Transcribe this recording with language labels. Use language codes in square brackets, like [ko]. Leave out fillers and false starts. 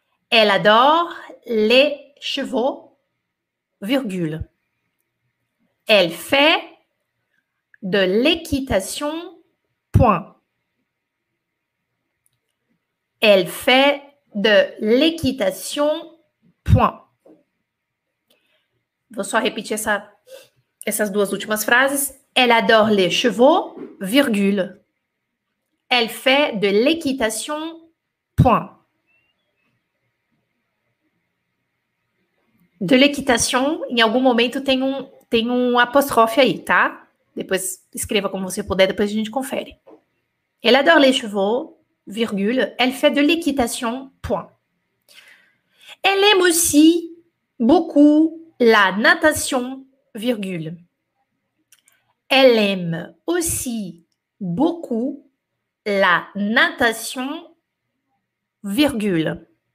[fr] Elle adore les chevaux. Virgule. Elle fait de l'équitation. Point. Elle fait de l'équitation. Point. [pt] Vou só repetir essas duas últimas frases. [fr] Elle adore les chevaux, virgule. Elle fait de l'équitation, point. De l'équitation, [pt] em algum momento tem um apostrofe aí, tá? Depois escreva como você puder, depois a gente confere. [fr] Elle adore les chevaux, virgule. Elle fait de l'équitation, point. Elle aime aussi beaucoup la natation, virgule. Elle aime aussi beaucoup la natation, virgule.